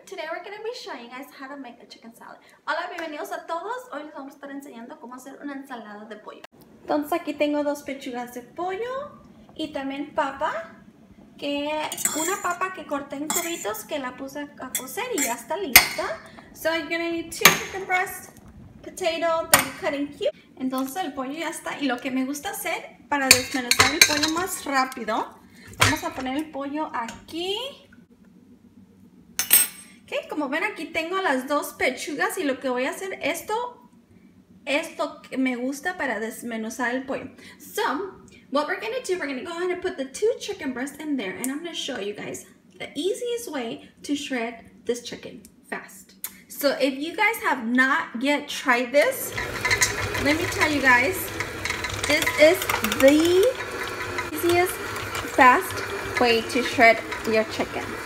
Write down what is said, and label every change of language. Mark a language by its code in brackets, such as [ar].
[en] Today we're going to be showing guys how to make a chicken salad. [es] Hola, bienvenidos a todos. Hoy les vamos a estar enseñando cómo hacer una ensalada de pollo. Entonces aquí tengo dos pechugas de pollo y también papa. Que una papa que corté en cubitos que la puse a cocer y ya está lista. [en] So you're going to need two chicken breasts, potato, then cut in cubes. [es] Entonces el pollo ya está y lo que me gusta hacer para desmenuzar el pollo más rápido. Vamos a poner el pollo aquí. Okay, como ven aquí tengo las dos pechugas y lo que voy a hacer esto que me gusta para desmenuzar el pollo. [en] So, what we're going to do, we're going to go ahead and put the two chicken breasts in there and I'm going to show you guys the easiest way to shred this chicken fast. So, if you guys have not yet tried this, let me tell you guys, this is the easiest fast way to shred your chicken.